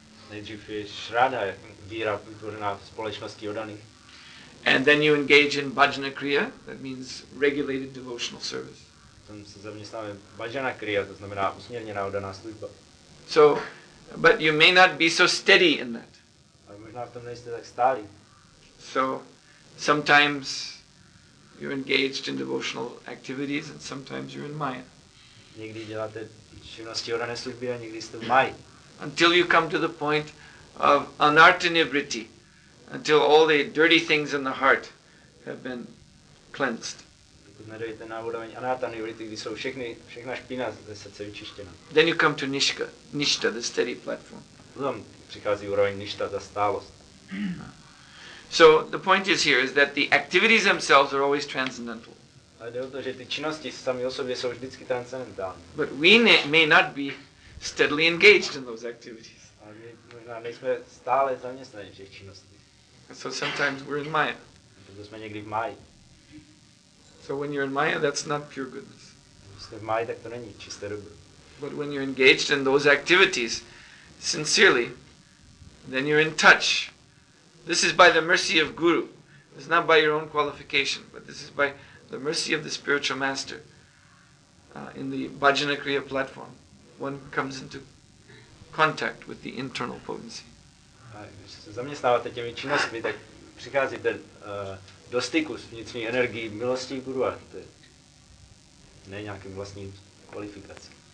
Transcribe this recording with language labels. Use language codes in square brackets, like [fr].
[cs] Nejdřív je shraddha, víra vytvořená v společnosti odaných. [en] And then you engage in bhajana kriya, that means regulated devotional service. [cs] Tam se zaměstnáme bhajana kriya, to znamená usměrněná odaná služba. [en] So, but you may not be so steady in that. [cs] Ale možná v tom nejste tak stálí. [en] So, sometimes you're engaged in devotional activities and sometimes you're in maya. [cs] Někdy děláte činnosti odané služby a někdy jste v maji. [en] Until you come to the point of anartanivritti. Until all the dirty things in the heart have been cleansed. [cs] Pokud nedojete na úroveň anartanivritti, kdy jsou všechna špína ze srdce vyčištěna. [en] Then you come to nishta, the steady platform. [cs] Potom přichází úroveň nishta, ta stálost. [en] So the point is here is that the activities themselves are always transcendental. [cs] Ale jde o to, že ty činnosti sami o sobě jsou vždycky transcendentální. [en] But we may not be steadily engaged in those activities. [cs] A my možná nejsme stále zaměstnaní v těch činnostech. [en] So sometimes we're in maya. [cs] Proto jsme někdy v maji. [en] So when you're in maya, that's not pure goodness. [cs] Když jste v maji, tak to není čisté dobro. [en] But when you're engaged in those activities, sincerely, then you're in touch. This is by the mercy of Guru. It's not by your own qualification, but this is by the mercy of the spiritual master. In the bhajana kriya platform, one comes into contact with the internal potency. [cs] A když se zaměstnáváte těmi činnostmi, tak přichází ten do styku s vnitřní energií milostí guru a to je ne nějakým vlastním kvalifikací.